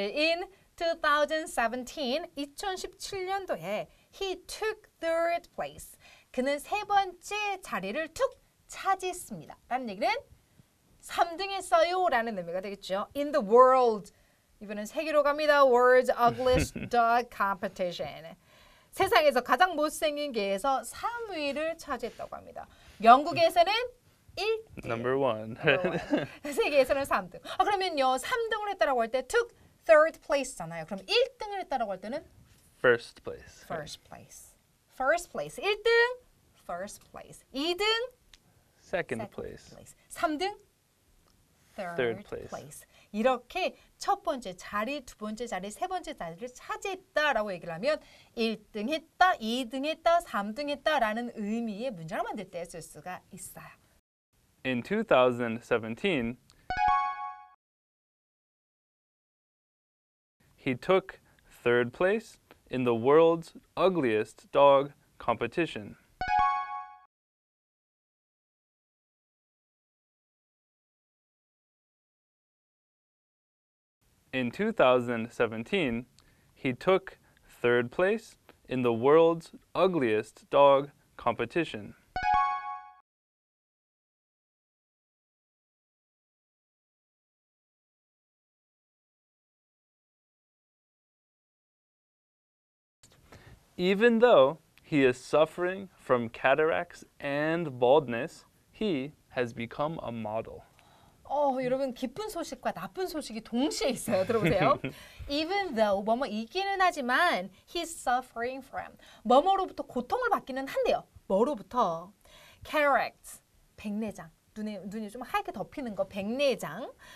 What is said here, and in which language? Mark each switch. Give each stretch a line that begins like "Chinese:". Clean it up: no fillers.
English: In 2017,
Korean: 2017년도에
English: he took third place.
Korean: 그는 세 번째 자리를 툭 차지했습니다. 라는 얘기는 3등 했어요 라는 의미가 되겠죠.
English: In the world.
Korean: 이번엔 세계로 갑니다.
English: World's ugliest dog competition.
Korean: 세상에서 가장 못생긴 개에서 3위를 차지했다고 합니다. 영국에서는 1등.
English: Number one.
Korean: 세계에서는 3등. 아, 그러면요. 3등을 했다고 할 때
English: took third place
Korean: 잖아요. 그럼 1등을 했다라고 할 때는?
English: First place. First place. First place.
Korean: 1등?
English: First place.
Korean: 2등?
English: Second place.
Korean: 3등?
English: third place.
Korean: 이렇게 첫 번째 자리, 두 번째 자리, 세 번째 자리를 차지했다라고 얘기를 하면 1등 했다, 2등 했다, 3등 했다라는 의미의 문장을 만들 때 쓸 수가 있어요.
English: In 2017, he took third place in the world's ugliest dog competition. In 2017, he took third place in the world's ugliest dog competition. Even though he is suffering from cataracts and baldness, he has become a model.
Korean: 여러분 기쁜 소식과 나쁜 소식이 동시에 있어요. 들어보세요.
English: Even though
Korean: 뭐뭐 있기는 하지만
English: he's suffering from
Korean: 뭐뭐로부터 고통을 받기는 한데요. 뭐로부터? Cataracts, 백내장. 눈이 좀 하얗게 덮이는 거 백내장.